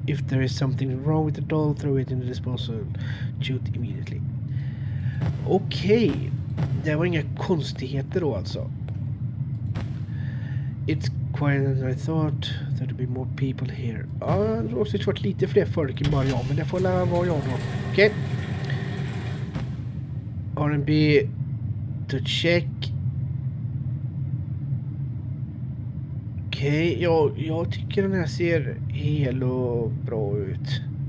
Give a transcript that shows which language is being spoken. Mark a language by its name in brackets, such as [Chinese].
[English] If there is something wrong with the doll, throw it in the disposal chute immediately. [Swedish] Okej. Okay. Det var inga konstigheter då alltså. [English] It's quieter than I thought. There'd be more people here. [Swedish] Ja, det har också varit lite fler folk än bara jag, men det får lära vara jag då. Okej. [English] Okay. R&B to check. [Swedish] Okej, okay, jag tycker den här ser hel och bra ut.